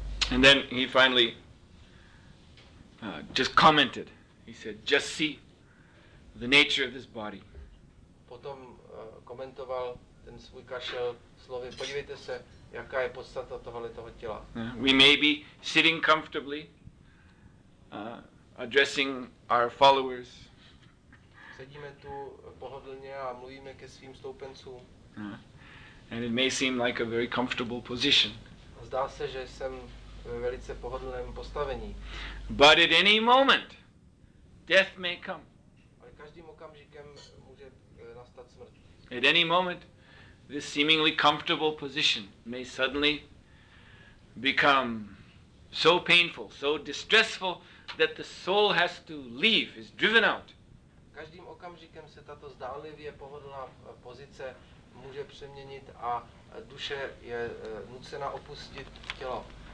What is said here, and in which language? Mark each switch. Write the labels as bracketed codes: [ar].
[en] And then he finally just commented. He said, "Just see the nature of this body." [cs] Potom komentoval ten svůj kašel slovy, podívejte se, jaká je podstata tohoto těla. [en] We may be sitting comfortably, addressing our followers. [cs] Sedíme tu pohodlně a mluvíme ke svým stoupencům. [en] And it may seem like a very comfortable position. [cs] Zdá se, že jsem ve velice pohodlném postavení. [en] But at any moment, death may come. [cs] Ale každým okamžikem může nastat smrt. [en] At any moment, this seemingly comfortable position may suddenly become so painful, so distressful that the soul has to leave, is driven out. [cs] Každým okamžikem se tato zdánlivě pohodlná pozice může přeměnit a duše je nucena opustit tělo.